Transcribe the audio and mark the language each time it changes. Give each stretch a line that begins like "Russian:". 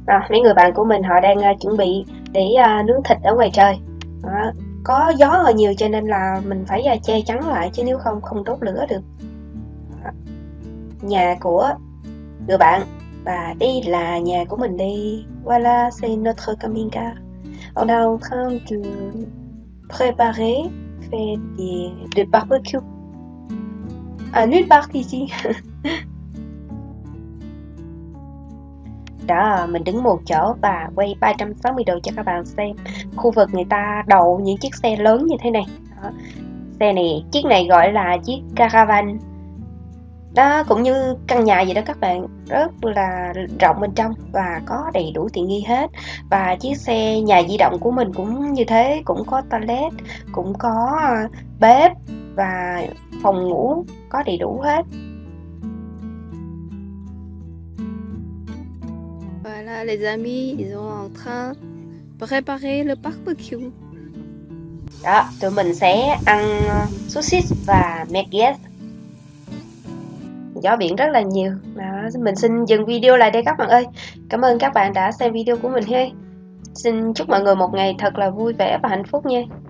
Vietnamese: Mấy người bạn của mình họ đang chuẩn bị để nướng thịt ở ngoài trời đó. Có gió hơi nhiều cho nên là mình phải che chắn lại, chứ nếu không không đốt lửa được. Nhà của người bạn, và đây là nhà của mình đi.
French: Voilà, c'est notre camping car. On est en train de préparer, faire des barbecues. À, nulle part ici.
Vietnamese: Đó, mình đứng một chỗ và quay 360 độ cho các bạn xem khu vực người ta đậu những chiếc xe lớn như thế này. Đó, xe này, chiếc này gọi là chiếc caravan đó, cũng như căn nhà vậy đó các bạn, rất là rộng bên trong và có đầy đủ tiện nghi hết. Và chiếc xe nhà di động của mình cũng như thế, cũng có toilet, cũng có bếp và phòng ngủ, có đầy đủ hết.
French: Voilà, les amis, ils sont en train préparer le barbecue.
Vietnamese: Đó, tụi mình sẽ ăn sosis và merguez. Gió biển rất là nhiều. Đó, mình xin dừng video lại đây các bạn ơi. Cảm ơn các bạn đã xem video của mình hay. Xin chúc mọi người một ngày thật là vui vẻ và hạnh phúc nha.